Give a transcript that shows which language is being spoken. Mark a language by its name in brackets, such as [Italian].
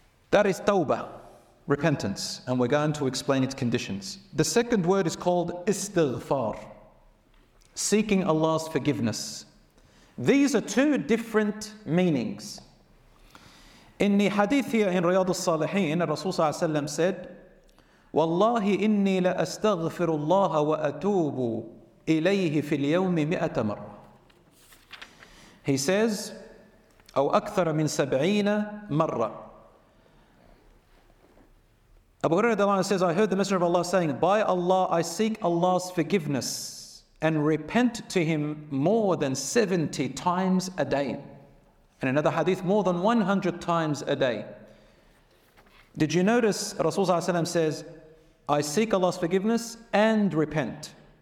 [English] That is tawbah, repentance, and we're going to explain its conditions. The second word is called istighfar, seeking Allah's forgiveness. These are two different meanings. In the hadith here in Riyadh al-Salihin, Rasul ﷺ said, [Arabic] وَاللَّهِ إِنِّي لَأَسْتَغْفِرُ اللَّهَ وَأَتُوبُ إِلَيْهِ فِي الْيَوْمِ مِئَةَ مَرَّةٍ. [English] He says, [Arabic] أَوْ أَكْثَرَ مِنْ سَبْعِينَ مَرَّةٍ. [English] Abu Hurairah says, I heard the Messenger of Allah saying, by Allah, I seek Allah's forgiveness and repent to Him more than 70 times a day. And another hadith, more than 100 times a day. Did you notice Rasulullah says, I seek Allah's forgiveness and repent.